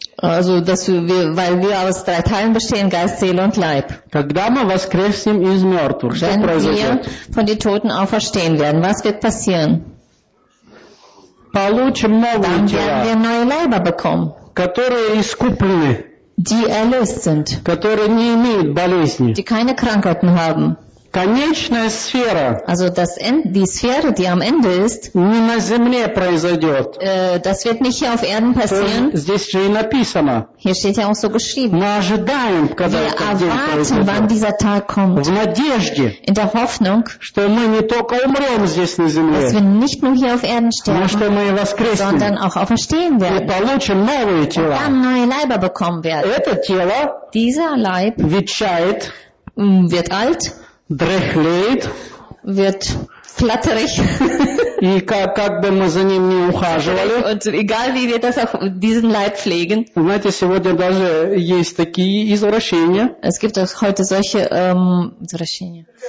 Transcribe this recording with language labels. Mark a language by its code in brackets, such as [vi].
[de] Also, weil wir aus drei Teilen bestehen, Geist, Seele und Leib. [ru] Когда мы воскреснем из мертвых, что произойдет? [de] Wenn wir von den Toten auferstehen werden, was wird passieren? [ru] Получим новые тела. [de] Dann werden wir neue Leiber bekommen. [ru] Которые искуплены. [de] Die erlöst sind. [ru] Которые не имеют болезни. [de] Die keine Krankheiten haben. [ru] Конечная сфера. [de] Also das die Sphäre, die am Ende ist. [ru] Не на земле произойдет. [de] Das wird nicht hier auf Erden passieren. [ru] Здесь же и написано. [de] Hier steht ja auch so geschrieben. [ru] Мы ожидаем, когда [de] wir [ru] этот [de] erwarten, [ru] день произойдет. [de] Wann dieser Tag kommt. [ru] В надежде. [de] In der Hoffnung. [ru] Что мы не только умрем здесь на земле. [de] Dass wir nicht nur hier auf Erden sterben. [ru] Но что мы и воскреснем. [de] Sondern auch auferstehen werden. [ru] И получим новые тела. [de] Und dann neue Leiber bekommen werden. [ru] Это тело. [de] Dieser Leib. [ru] Ветшает. [de] Wird alt. [ru] Дряхлеет, [de] wird flatterig. [ru] И как бы мы за ним не ухаживали. [de] Und egal wie wir das auch diesen Leib pflegen. [ru] Знаете, сегодня даже есть такие извращения. [de] Es gibt auch heute solche [ru] извращения.